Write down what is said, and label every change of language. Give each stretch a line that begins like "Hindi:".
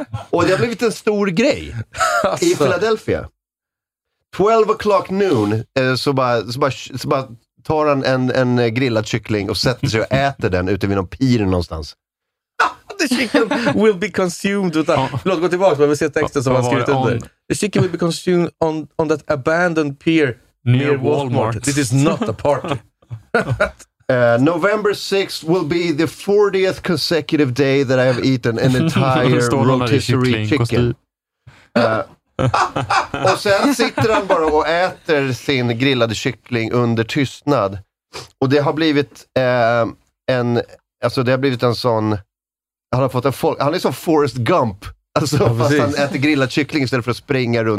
Swedish: Och det har blivit en stor grej i Philadelphia.
English: 12 o'clock noon
Swedish: så bara tar han en grillad kyckling och sätter sig och äter den ute vid någon pir någonstans.
English: The chicken will be consumed.
Swedish: Låt gå tillbaka, men vi ser texten som han skrivit under.
English: The chicken will be consumed on that abandoned pier near Walmart. This is not a party. November 6th will be the 40th consecutive day that I have eaten an entire rotisserie chicken.
Swedish: Och sen sitter han bara och äter sin grillade kyckling under tystnad. Och det har blivit han är som Forrest Gump. Alltså, ja, fast han äter grillad kyckling istället för att springa runt.